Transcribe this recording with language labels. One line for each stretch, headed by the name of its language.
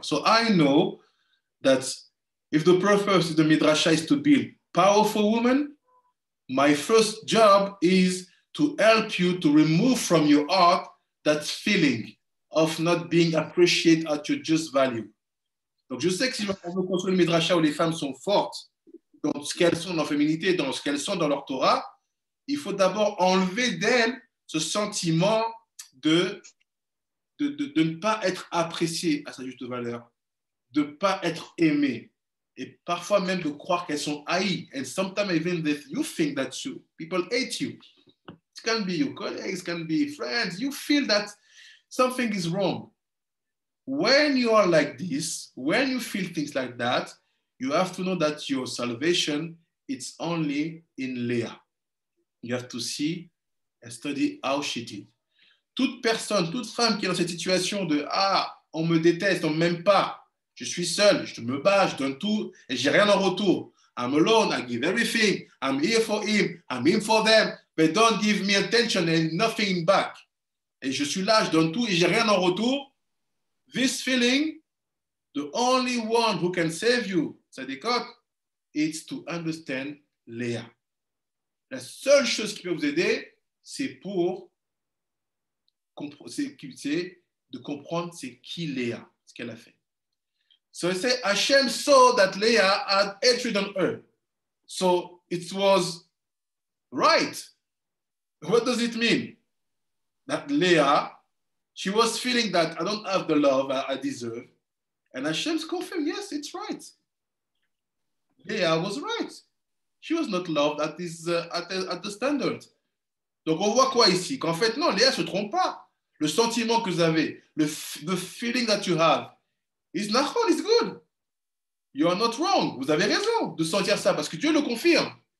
English: So I know that if the purpose of the midrasha is to build powerful women, my first job is to help you to remove from your heart that feeling of not being appreciated at your just value.
French: Donc je sais que si on veut construire le midrasha où les femmes sont fortes dans ce qu'elles sont, dans leur féminité, dans ce qu'elles sont dans leur Torah, il faut d'abord enlever d'elles ce sentiment de ne pas être apprécié à sa juste valeur, de ne pas être aimé, et parfois même de croire qu'elles sont haïes.
English: And sometimes even if you think that you, people hate you. It can be your colleagues, it can be friends. You feel that something is wrong. When you are like this, when you feel things like that, you have to know that your salvation, it's only in Leah. You have to see and study how she did.
French: Toute personne, toute femme qui est dans cette situation de « Ah, on me déteste, on ne m'aime pas, je suis seul, je me bats, je donne tout et je n'ai rien en retour.
English: I'm alone, I give everything, I'm here for him, I'm here for them, but don't give me attention and nothing back.
French: Et je suis là, je donne tout et je n'ai rien en retour.
English: » This feeling, the only one who can save you, Sadikot, it's to understand Leah.
French: La seule chose qui peut vous aider, c'est pour c'est de comprendre c'est qui Leah, ce qu'elle a fait.
English: So it says, Hashem saw that Leah had hatred on her. So it was right. What does it mean? That Leah, she was feeling that I don't have the love I deserve. And Hashem's confirmed, yes, it's right. Leah was right. She was not loved at this at the standard.
French: Donc on voit quoi ici? Qu'en fait, non, Léa ne se trompe pas. Le sentiment que vous avez,
English: the feeling that you have, is nachon, it's good. You are not wrong.
French: Vous avez raison de sentir ça parce que Dieu le confirme.